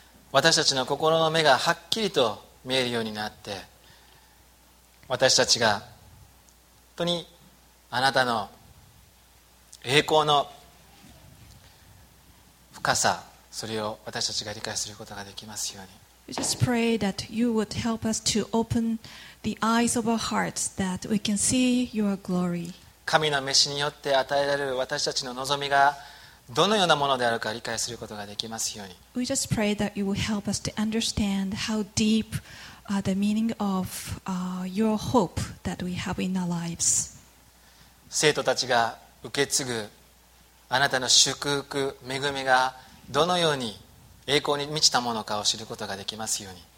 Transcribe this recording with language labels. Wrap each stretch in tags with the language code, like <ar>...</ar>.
<ja>私たちの心の目がはっきりと見えるようになって、私たちが本当にあなたの栄光の深さ、それを私たちが理解することができますように。</ja> <en>We just pray that you would help us to open the eyes of our hearts that we can see your glory。</en> <ja>神の召しによって与えられる私たちの望みがどのようなものであるか理解することができますように。</ja> <en>We just pray that you will help us to understand how deep the meaning of your hope that we have in our lives。</en> <ja>生徒たちが受け継ぐあなたの祝福、恵みがどのように栄光に満ちたものかを知ることができますように。</ja>